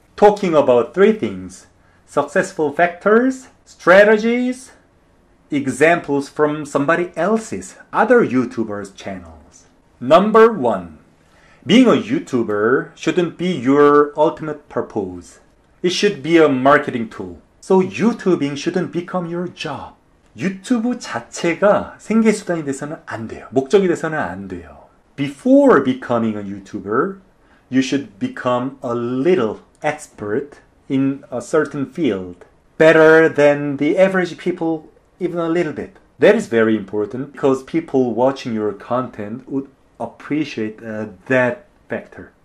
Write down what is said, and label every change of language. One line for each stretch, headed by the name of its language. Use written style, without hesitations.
English: Talking about 3 things. Successful factors, strategies, examples from somebody else's, other YouTubers' channels. Number 1. Being a YouTuber shouldn't be your ultimate purpose. It should be a marketing tool. So YouTubing shouldn't become your job.
Korean: 유튜브 자체가 생계수단이 돼서는 안 돼요. 목적이 돼서는 안 돼요.
English: Before becoming a YouTuber, you should become a little expert in a certain field. Better than the average people, even a little bit. That is very important because people watching your content would appreciate that factor.